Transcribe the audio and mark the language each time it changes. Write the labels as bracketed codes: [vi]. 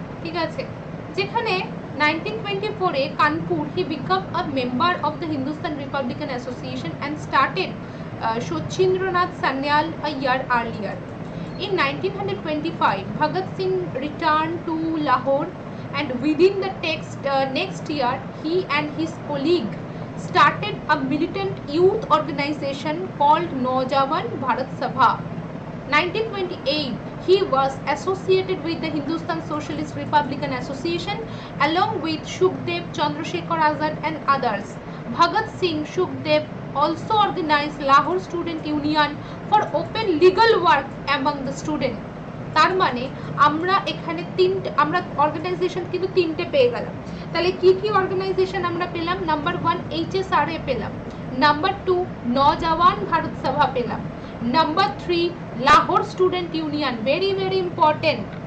[bn] ঠিক আছে, যেখানে [en] 1924-এ Kanpur he became a member of the Hindustan Republican Association and started Sachindranath Sanyal a year earlier. In 1925 Bhagat Singh return to Lahore and within the text next year he and his colleague started a militant youth organisation called Naujawan Bharat Sabha. 1928 he was associated with the Hindustan Socialist Republican Association along with Shukdev Chandrasekhar Azad and others. Bhagat Singh Shukdev also organized Lahore Student Union for open legal work among the student. [bn] তার মানে আমরা এখানে তিনটে আমরা organisation কিন্তু তিনটে পেয়ে গেলাম। তাহলে কি কি অর্গানাইজেশন আমরা পেলাম? নাম্বার ওয়ান HSRA পেলাম, নাম্বার টু নওজাবান ভারত সভা পেলাম, number three Lahore student union, [en] Very very important.